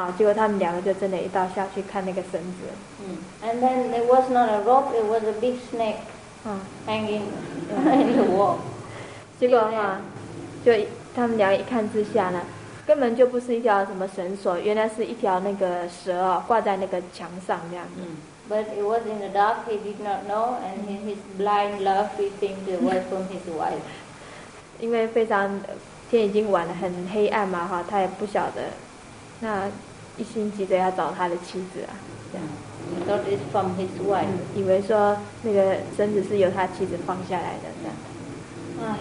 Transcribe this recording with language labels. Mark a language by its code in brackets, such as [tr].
[zh] 然后他先说，如果你不相信的话，你可以跟我一道下来哈。结果他们两个就真的一道下去看那个绳子。 [en] And then there was not a rope; it was a big snake hanging in the wall. [zh] 结果哈，就他们两个一看之下呢，根本就不是一条什么绳索，原来是一条那个蛇啊，挂在那个墙上这样子。 [en] But it was in the dark; he did not know, and in his blind love, he thinks it was from his wife. [zh] 因为非常天已经晚了，很黑暗嘛，哈，他也不晓得，那一心急着要找他的妻子啊，这样。 [en] He thought it's from his wife. [zh] 以为说那个绳子是由他妻子放下来的，这样。